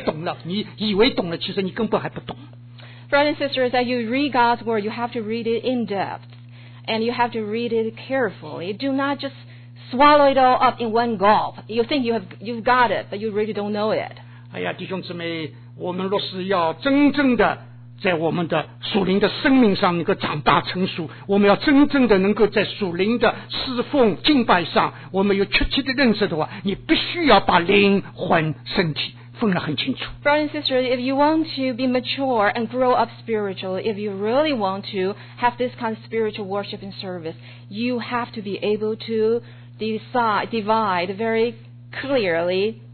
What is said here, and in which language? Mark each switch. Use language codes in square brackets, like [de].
[zh] 我们念神的话，我们要深入的、细腻的去念。所有的属灵的真理、属灵圣经的这个教训，都是非常细腻的。我们不要囫囵吞枣的，这个敷衍潦草的，看过我就懂了。你以为懂了，其实你根本还不懂。 [en] Brothers and sisters, as you read God's word, you have to read it in depth, and you have to read it carefully. Do not just swallow it all up in one gulp. You think you've got it, but you really don't know it. [zh] 哎呀，弟兄姊妹。我们若是要真正的在我们的属灵的生命上能够长大成熟，我们要真正的能够在属灵的侍奉敬拜上，我们有确切的认识的话，你必须要把灵魂身体分得很清楚。 [en] Brothers and sisters, if you want to be mature and grow up spiritually, if you really want to have this kind of spiritual worship and service, you have to be able to divide very clearly.